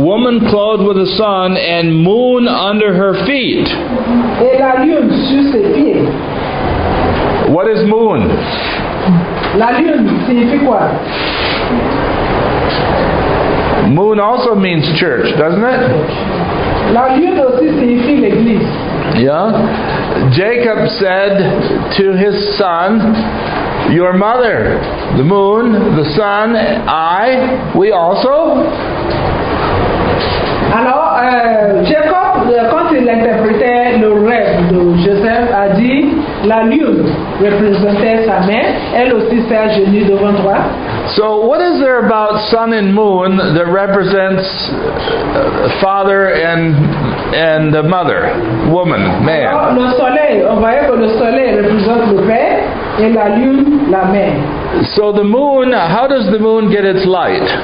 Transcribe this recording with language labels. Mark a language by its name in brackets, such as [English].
[English] Woman clothed with the sun and moon under her feet. [French] Et la lune sur ses pieds. [English] What is moon? [French] La lune signifie quoi? [English] Moon also means church, doesn't it? [French] La lune aussi signifie l'église. [English] Yeah. Jacob said to his son, your mother, the moon, the sun, I, we also? [French] Alors, Jacob, quand il interprétait le rêve de Joseph, a dit, la lune représentait sa mère, elle aussi s'est agenue devant toi. [English] So, what is there about sun and moon that represents father and the mother, woman, man? [French] Alors, le soleil, on voyait que le soleil représente le père et la lune, la mère. [English] So, the moon, how does the moon get its light?